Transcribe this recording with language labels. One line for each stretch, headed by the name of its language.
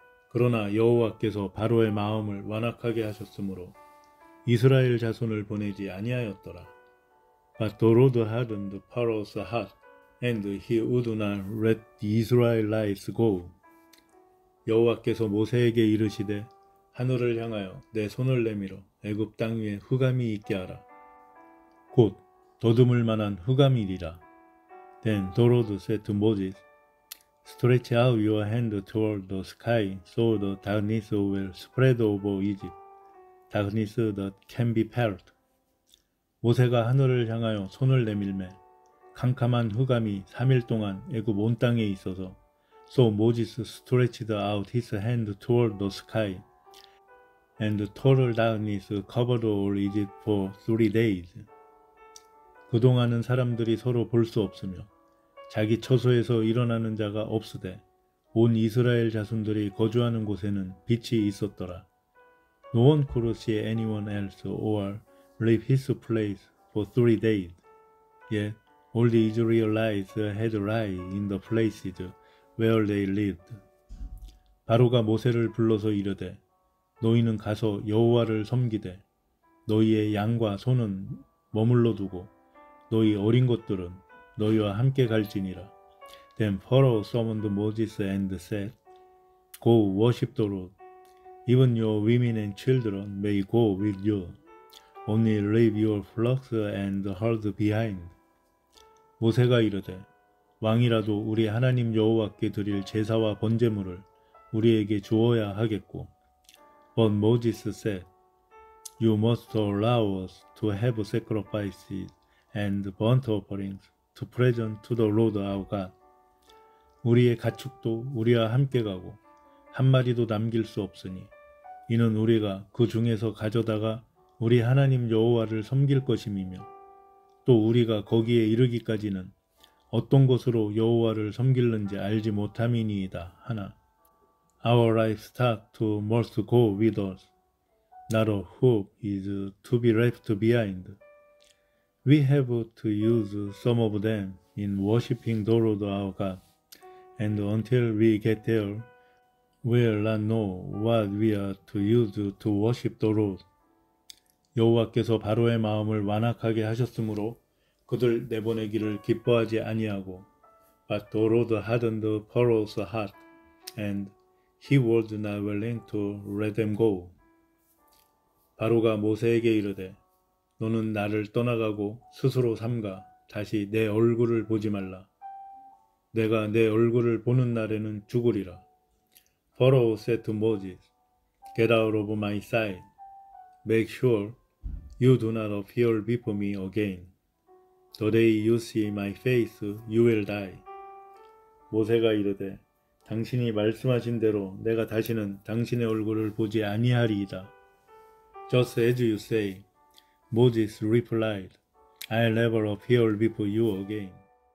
Korean: 그러나 여호와께서 바로의 마음을 완악하게 하셨으므로 이스라엘 자손을 보내지 아니하였더라.
English: But the Lord hardened Pharaoh's heart, and he would not let the Israelites go.
Korean: 여호와께서 모세에게 이르시되 하늘을 향하여 내 손을 내밀어 애굽 땅 위에 흑암이 있게 하라. 곧 더듬을 만한 흑암이리라.
English: Then the Lord said to Moses, Stretch out your hand toward the sky so the darkness will spread over Egypt, darkness that can be felt.
Korean: 모세가 하늘을 향하여 손을 내밀매 캄캄한 흑암이 3일 동안 애굽 온 땅에 있어서
English: So Moses stretched out his hand toward the sky, and total darkness covered all Egypt for 3 days.
Korean: 그동안은 사람들이 서로 볼수 없으며 자기 처소에서 일어나는 자가 없으되 온 이스라엘 자손들이 거주하는 곳에는 빛이 있었더라.
English: No one could see anyone else or leave his place for 3 days. Yet all the Israelites had light in the places where they lived.
Korean: 바로가 모세를 불러서 이르되 너희는 가서 여호와를 섬기되 너희의 양과 소는 머물러 두고 너희 어린 것들은 너희와 함께 갈지니라.
English: Then Pharaoh summoned Moses and said, Go worship the Lord. Even your women and children may go with you. Only leave your flocks and herds behind.
Korean: 모세가 이르되 왕이라도 우리 하나님 여호와께 드릴 제사와 번제물을 우리에게 주어야 하겠고
English: But Moses said, You must allow us to have sacrifices and burnt offerings to present to the Lord our God.
Korean: 우리의 가축도 우리와 함께 가고 한 마리도 남길 수 없으니 이는 우리가 그 중에서 가져다가 우리 하나님 여호와를 섬길 것임이며 또 우리가 거기에 이르기까지는 어떤 것으로 여호와를 섬길는지 알지 못함이니이다 하나.
English: Our livestock too must go with us. Not a hoof is to be left behind. We have to use some of them in worshiping the Lord our God. And until we get there, we'll not know what we are to use to worship the Lord.
Korean: 여호와께서 바로의 마음을 완악하게 하셨으므로 그들 내보내기를 기뻐하지 아니하고
English: But the Lord hardened Pharaoh's heart, and he was not willing to let them go.
Korean: 바로가 모세에게 이르되 너는 나를 떠나가고 스스로 삼가 다시 내 얼굴을 보지 말라. 내가 내 얼굴을 보는 날에는 죽으리라.
English: Pharaoh said to Moses, Get out of my sight. Make sure you do not appear before me again. The day you see my face, you will die.
Korean: 모세가 이르되 당신이 말씀하신 대로 내가 다시는 당신의 얼굴을 보지 아니하리이다.
English: Just as you say, Moses replied, I'll never appear before you again.